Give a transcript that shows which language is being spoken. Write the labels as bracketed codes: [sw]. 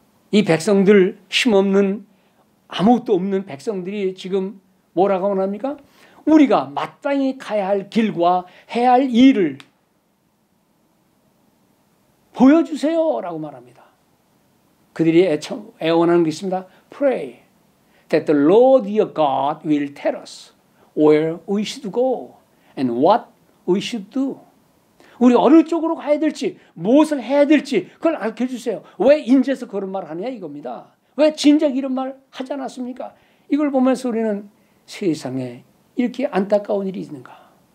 [ko] 이 백성들, 힘없는 아무것도 없는 백성들이 지금 뭐라고 말합니까? 우리가 마땅히 가야 할 길과 해야 할 일을 보여주세요라고 말합니다. 그들이 애원하는 게 있습니다. [en] Pray that the Lord your God will tell us where we should go and what we should do. [ko] 우리 어느 쪽으로 가야 될지, 무엇을 해야 될지 그걸 알려주세요. 왜 인제서 그런 말을 하느냐 이겁니다. 왜 진작 이런 말 하지 않았습니까? 이걸 보면서 우리는 세상에 이렇게 안타까운 일이 있는가.